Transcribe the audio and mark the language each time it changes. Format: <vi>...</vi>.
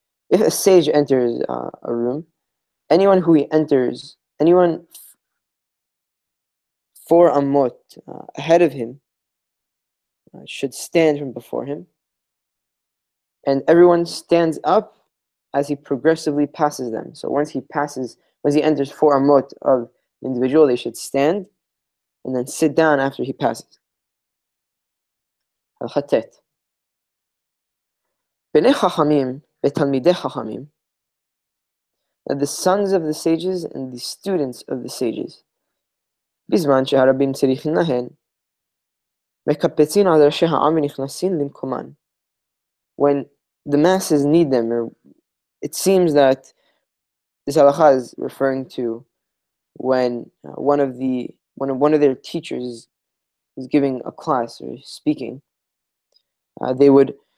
<en>If a sage enters a room, anyone who he enters, anyone four amot ahead of him should stand from before him, and everyone stands up as he progressively passes them. So once he passes, once he enters four amot of the individual, they should stand and then sit down after he passes. Al-Khatet.</en> <he>B'nei Chachamim ותלמידי חכמים.</he> <en>Now the sons of the sages and the students of the sages.</en> <he>בזמן שהרבים צריכים להן, מקפצים על ראשי העם ונכנסים למקומן.</he> <en>When the masses need them, or it seems that this halakha is referring to when one of their teachers is giving a class or speaking, they would.</en>